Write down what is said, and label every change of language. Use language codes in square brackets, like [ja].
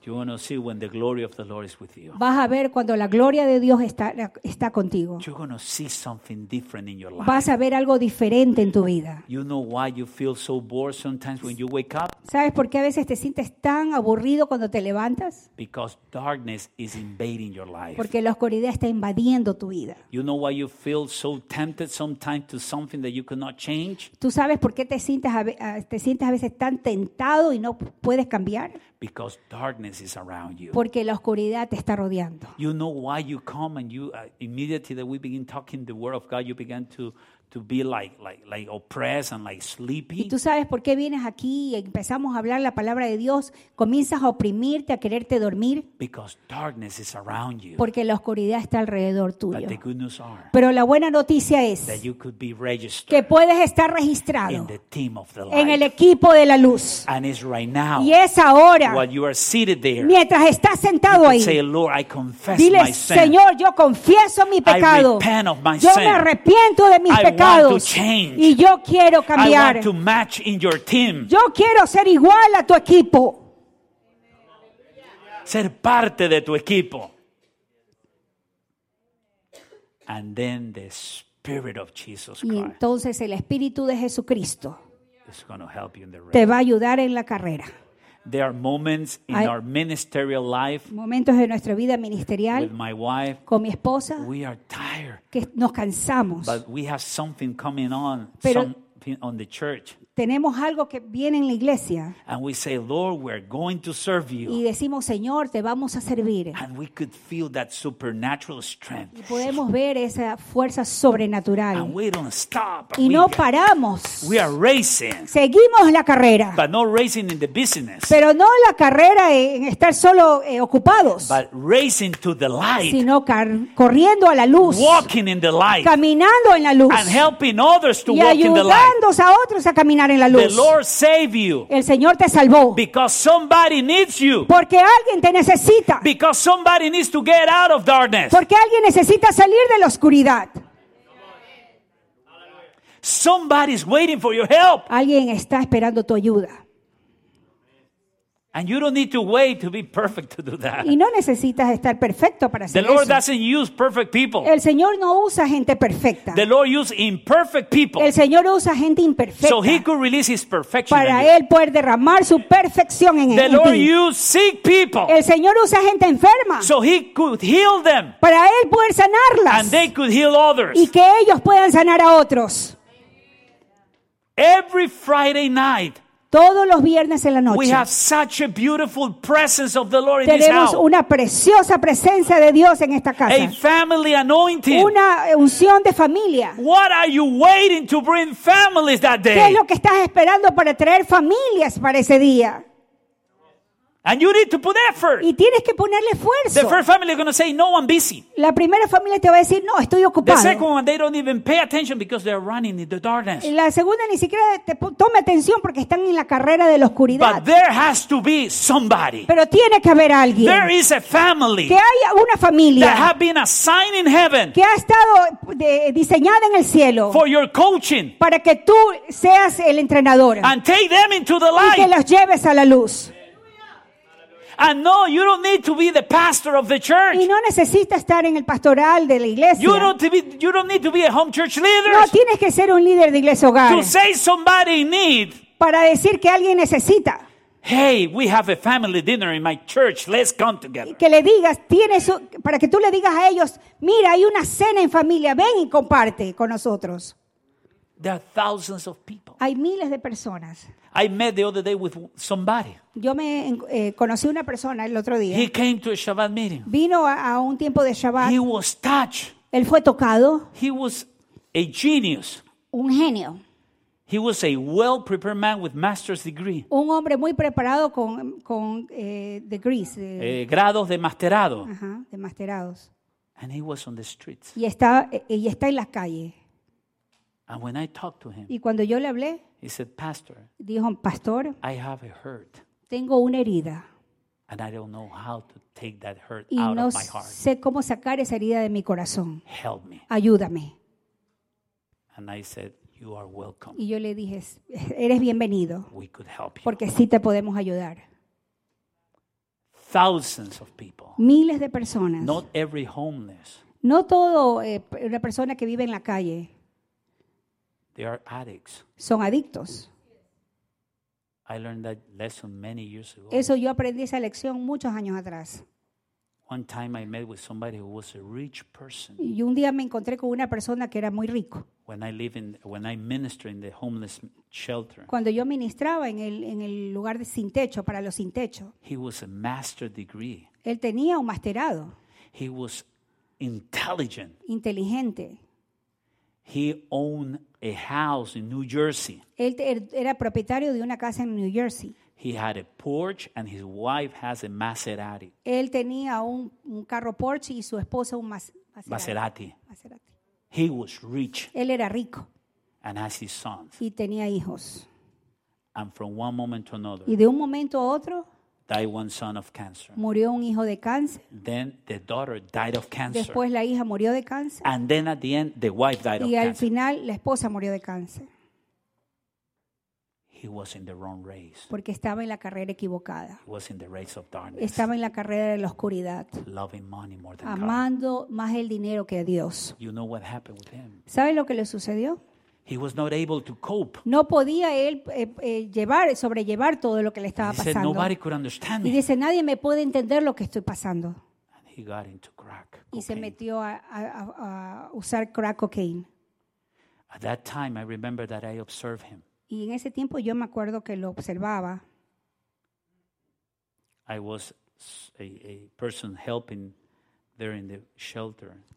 [en] You're going to see when the glory of the Lord is with you. [es] Vas a ver cuando la gloria de Dios está contigo. [en] You're going to see something different in your life. [es] Vas a ver algo diferente en tu vida. [en] You know why you feel so bored sometimes when you wake up? [es] ¿Sabes por qué a veces te sientes tan aburrido cuando te levantas? [en] Because darkness is invading your life. [es] Porque la oscuridad está invadiendo tu vida. [en] You know why you feel so tempted sometimes to something that you cannot change? [es] ¿Tú sabes por qué te sientes a veces tan tentado y no puedes cambiar? [en] Because darkness is around you. [es] Porque la oscuridad te está rodeando. [en] You know why you come and you immediately that we begin talking the word of God, you begin to be like oppressed and like sleepy. [es] ¿Y tú sabes por qué vienes aquí y empezamos a hablar la palabra de Dios, comienzas a oprimirte, a quererte dormir? [en] Because darkness is around you. [es] Porque la oscuridad está alrededor tuyo. [en] But the good news are, [es] pero la buena noticia es [en] that you could be registered, [es] que puedes estar registrado [en] in the team of the light, [es] en el equipo de la luz. [en] And it's right now, [es] y es ahora, [en] while you are seated there, [es] mientras estás sentado ahí, [en] say, Lord, I confess, [es] dile, [en] my sin. [es] Señor, yo confieso mi pecado. [en] I repent of my [es] yo [en] sin. [es] Me arrepiento de mis pecados. [en] I want to change. [es] Y yo quiero cambiar. [en] I want to match in your team. [es] Yo quiero ser igual a tu equipo. Ser parte de tu equipo. [en] And then the Spirit of Jesus Christ. [es] Y entonces el Espíritu de Jesucristo [en] is going to help you in the race. [es] Te va a ayudar en la carrera. [en] There are moments in our ministerial life. [es] Momentos de nuestra vida ministerial. [en] With my wife. [es] Con mi esposa. [en] We are tired. [es] Que nos cansamos. [en] But we have something coming on. [es] Pero [en] something on the church. [es] Tenemos algo que viene en la iglesia. [en] And we say, Lord, we're going to serve you. [es] Y decimos, Señor, te vamos a servir. [en] And we could feel that supernatural strength. [es] Y podemos ver esa fuerza sobrenatural. [en] And we don't stop. [es] Y no paramos. [en] We are racing. [es] Seguimos la carrera. [en] But not racing in the business. [es] Pero no la carrera en estar solo ocupados. [en] But racing to the light. [es] Sino corriendo a la luz. [en] Walking in the light. [es] Caminando en la luz. [en] And helping others to walk in the light. [es] Y ayudando a otros a caminar. [en] The Lord save you. [es] El Señor te salvó. [en] Because somebody needs you. [es] Porque alguien te necesita. [en] Because somebody needs to get out of darkness. [es] Porque alguien necesita salir de la oscuridad. [en] Somebody's waiting for your help. [es] Alguien está esperando tu ayuda. [en] And you don't need to wait to be perfect to do that. [es] Y no necesitas estar perfecto para hacer eso. [en] The Lord [es] eso. [en] Doesn't use perfect people. [es] El Señor no usa gente perfecta. [en] The Lord uses imperfect people. [es] El Señor usa gente imperfecta. [en] So He could release His perfection. [es] Para él poder derramar su perfección en ti. [en] The Lord uses sick people. [es] El Señor usa gente enferma. [en] So He could heal them. [es] Para él poder sanarlas. [en] And they could heal others. [es] Y que ellos puedan sanar a otros. [en] Every Friday night. [es] Todos los viernes en la noche. [en] We have such a beautiful presence of the Lord in [es] tenemos [en] this house. [es] Una preciosa presencia de Dios en esta casa. [en] A family anointing. [es] Una unción de familia. [en] What are you waiting to bring families that day? [es] ¿Qué es lo que estás esperando para traer familias para ese día? [en] And you need to put effort. [es] Y tienes que ponerle esfuerzo. [en] The first family is going to say, "No, I'm busy." [es] La primera familia te va a decir, "No, estoy ocupado." [en] The second one, they don't even pay attention because they're running in the darkness. [es] La segunda ni siquiera te toma atención porque están en la carrera de la oscuridad. [en] But there has to be somebody. [es] Pero tiene que haber alguien. [en] There is a family. [es] Que hay una familia. [en] That have been assigned in heaven. [es] Que ha estado diseñada en el cielo. [en] For your coaching. [es] Para que tú seas el entrenador. [en] And take them into the light. [es] Y que los lleves a la luz. [en] And no, you don't need to be the pastor of the church. [es] Y no necesitas estar en el pastoral de la iglesia. [en] You don't need to be a home church leader. [es] No tienes que ser un líder de iglesia hogar. [en] To say somebody needs. [es] Para decir que alguien necesita. [en] Hey, we have a family dinner in my church. Let's come together. [es] Que le digas, tienes para que tú le digas a ellos, mira, hay una cena en familia, ven y comparte con nosotros. [en] There are thousands of people. [es] Hay miles de personas. [en] I met the other day with somebody. [es] Yo me conocí una persona el otro día. [en] He came to a Shabbat meeting. [es] Vino a un tiempo de Shabbat. [en] He was touched. [es] Él fue tocado. [en] He was a genius. [es] Un genio. [en] He was a well-prepared man with master's degree. [es] Un hombre muy preparado con degrees. Grados de masterado. Ajá, de masterados. [en] And he was on the streets. [es] Y está en las calles. [en] And when I talked to him, [es] y cuando yo le hablé, [en] he said, "Pastor, [es] dijo, pastor, [en] I have a hurt. [es] Tengo una herida. [en] And I don't know how to take that hurt [es] y [en] out [es] no [en] of my heart. [es] Sé cómo sacar esa herida de mi corazón. [en] Help me. [es] Ayúdame." [en] And I said, you are welcome. [es] Y yo le dije, eres bienvenido. [en] We could help you. [es] Porque sí te podemos ayudar. [en] Thousands of people. [es] Miles de personas. [en] Not every homeless. [es] No todo una persona que vive en la calle. [en] They are addicts. [es] Son adictos. [en] I learned that lesson many years ago. [es] Eso yo aprendí esa lección muchos años atrás. [en] One time I met with somebody who was a rich person. [es] Y un día me encontré con una persona que era muy rico. [en] When I ministered in the homeless shelter. [es] Cuando yo ministraba en el lugar de sin techo para los sin techo. [en] He was a master degree. [es] Él tenía un masterado. [en] He was intelligent. [es] Inteligente. [en] He owned a house in New Jersey. [es] Él era propietario de una casa en New Jersey. [en] He had a Porsche and his wife has a Maserati. [es] Él tenía un carro Porsche y su esposa un Maserati. Maserati. [en] He was rich. [es] Él era rico. [en] And has his sons. [es] Y tenía hijos. [en] And from one moment to another. [es] Y de un momento a otro. [en] Died one son of cancer. [es] Murió un hijo de cáncer. [en] Then the daughter died of cancer. [es] Después la hija murió de cáncer. [en] And then at the end the wife died of cancer. [es] Y al final la esposa murió de cáncer. [en] He was in the wrong race. [es] Porque estaba en la carrera equivocada. [en] He was in the race of darkness. [es] Estaba en la carrera de la oscuridad. [en] Loving money more than [es] amando [en] God. [es] Más el dinero que a Dios. [en] You know what happened with him? [es] ¿Sabes lo que le sucedió? [en] He was not able to cope. [es] No podía él sobrellevar todo lo que le estaba pasando. [en] He said, nobody could understand me. [es] Y dice, nadie me puede entender lo que estoy pasando. [en] And he got into crack cocaine. [es] Y se metió a usar crack cocaine. [en] At that time, I remember that I observed him. [es] Y en ese tiempo yo me acuerdo que lo observaba. [en] I was a person helping there in the shelter.